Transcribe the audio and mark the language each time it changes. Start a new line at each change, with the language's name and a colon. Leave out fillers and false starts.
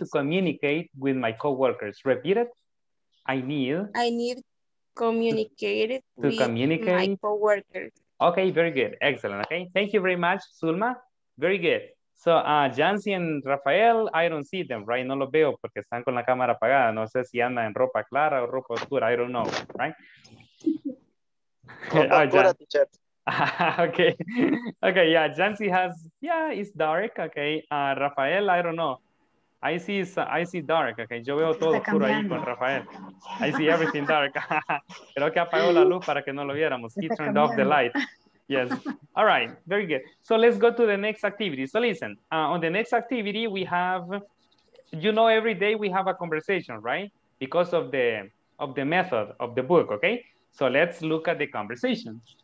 English: to communicate with my coworkers. Repeat it. I need communicate to with communicate with my coworkers. Okay, very good. Excellent. Okay, thank you very much, Zulma. Very good. So, Jancy and Rafael, I don't see them, right?
Spanish: No los veo porque están con la cámara apagada. No sé si andan en ropa clara o ropa oscura.
English: I don't know, right?
Spanish: Ropa oscura, teacher.
English: Okay. Okay, yeah. Jancy has, yeah, it's dark, okay. Rafael, I don't know. I see dark, okay.
Spanish: Yo veo todo oscuro ahí con Rafael.
English: I see everything dark.
Spanish: Creo que apagó la luz para que no lo viéramos.
English: He turned off the light. Yes. All right. Very good. So let's go to the next activity. So listen, on the next activity, we have, you know, every day we have a conversation, right? Because of the method of the book, okay? So let's look at the conversation.